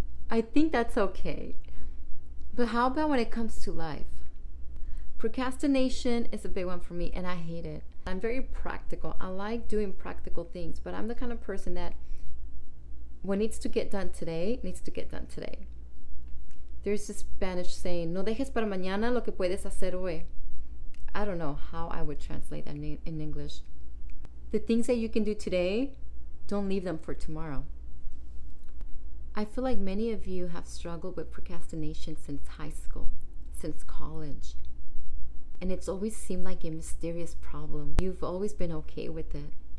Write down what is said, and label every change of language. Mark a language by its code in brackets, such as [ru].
[en] I think that's okay. But how about when it comes to life? Procrastination is a big one for me and I hate it. I'm very practical. I like doing practical things, but I'm the kind of person that what needs to get done today, needs to get done today. There's a Spanish saying, [es] no dejes para mañana lo que puedes hacer hoy. [en] I don't know how I would translate that in English. The things that you can do today, don't leave them for tomorrow. I feel like many of you have struggled with procrastination since high school, since college. And it's always seemed like a mysterious problem. You've always been okay with it.